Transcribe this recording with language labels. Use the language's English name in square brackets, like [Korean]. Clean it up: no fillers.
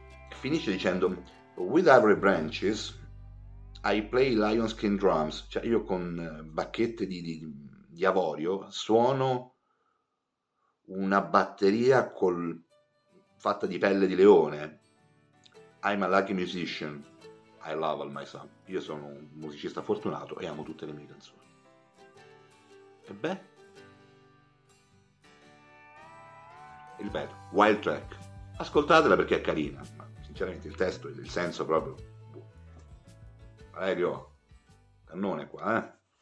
[Italian] E finisce dicendo: [English] With ivory branches, I play lion skin drums. [Italian] Cioè io con bacchette di avorio suono una batteria col fatta di pelle di leone. [English] I'm a lucky musician, I love all my son. [Italian] Io sono un musicista fortunato e amo tutte le mie canzoni. E beh, ripeto, Wild Track, ascoltatela perché è carina, ma sinceramente il testo e il senso proprio Valerio cannone qua, eh.